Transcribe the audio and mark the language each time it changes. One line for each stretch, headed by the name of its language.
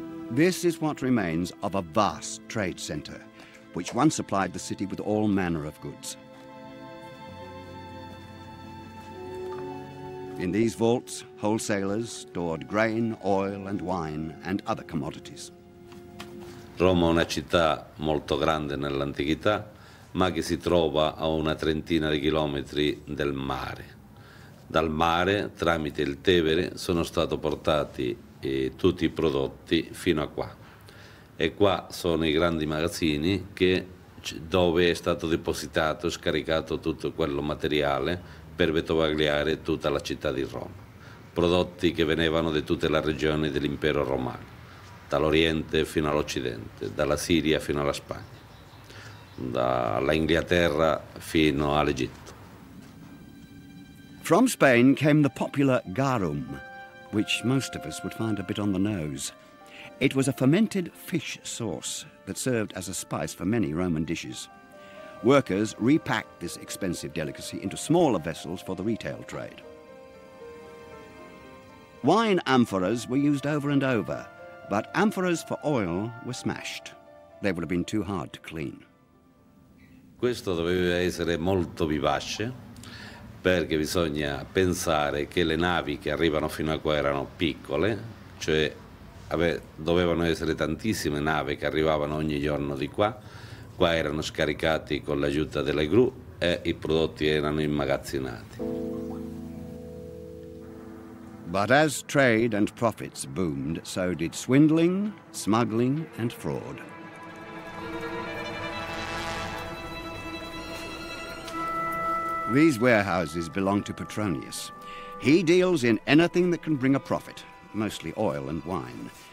English: This is what remains of a vast trade center, which once supplied the city with all manner of goods. In these vaults, wholesalers stored grain, oil and wine and other commodities.
Italian: Roma è una città molto grande nell'antichità, ma che si trova a una trentina di chilometri dal mare. Dal mare, tramite il Tevere, sono stati portati tutti i prodotti fino a qua. E qua sono i grandi magazzini dove è stato depositato, scaricato tutto quello materiale per vetovagliare tutta la città di Roma. Prodotti che venivano da tutte le regioni dell'impero romano. Dall'Oriente fino all'Occidente, dalla Siria fino alla Spagna, dall'Inghilterra fino all'Egitto.
English: From Spain came the popular garum, which most of us would find a bit on the nose. It was a fermented fish sauce that served as a spice for many Roman dishes. Workers repacked this expensive delicacy into smaller vessels for the retail trade. Wine amphoras were used over and over. But amphoras for oil were smashed. They would have been too hard to clean.
Italian: Questo doveva essere molto vivace perché bisogna pensare che le navi che arrivano fino a qua erano piccole, cioè dovevano essere tantissime navi che arrivavano ogni giorno di qua. Qua erano scaricati con l'aiuto delle gru e i prodotti erano immagazzinati.
English: But as trade and profits boomed, so did swindling, smuggling and fraud. These warehouses belong to Petronius. He deals in anything that can bring a profit, mostly oil and wine.